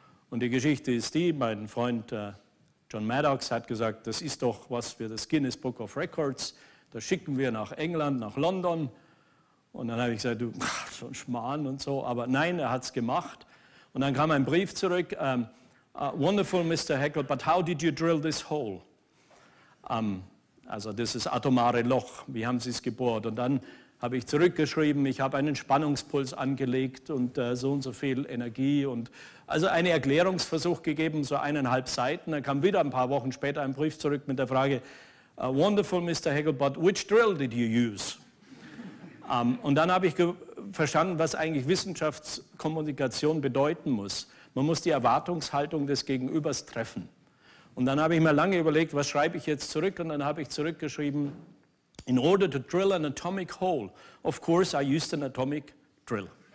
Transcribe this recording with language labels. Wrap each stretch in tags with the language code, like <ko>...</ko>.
<de>Und die Geschichte ist die, mein Freund John Maddox hat gesagt, das ist doch was für das Guinness Book of Records, das schicken wir nach England, nach London. Und dann habe ich gesagt, du, so ein Schmarrn und so, aber nein, er hat es gemacht. Und dann kam ein Brief zurück,</de> <en>wonderful Mr. Haeckel, but how did you drill this hole?</en> <de>Also das ist atomare Loch, wie haben Sie es gebohrt? Und dann habe ich zurückgeschrieben, ich habe einen Spannungspuls angelegt und so viel Energie und also einen Erklärungsversuch gegeben, so 1,5 Seiten. Dann kam wieder ein paar Wochen später ein Brief zurück mit der Frage,</de> <en>wonderful Mr. Haeckel, but which drill did you use?</en> <de>Und dann habe ich verstanden, was eigentlich Wissenschaftskommunikation bedeuten muss. Man muss die Erwartungshaltung des Gegenübers treffen. Und dann habe ich mir lange überlegt, was schreibe ich jetzt zurück? Und dann habe ich zurückgeschrieben,</de> <en>in order to drill an atomic hole, of course I used an atomic drill.</en>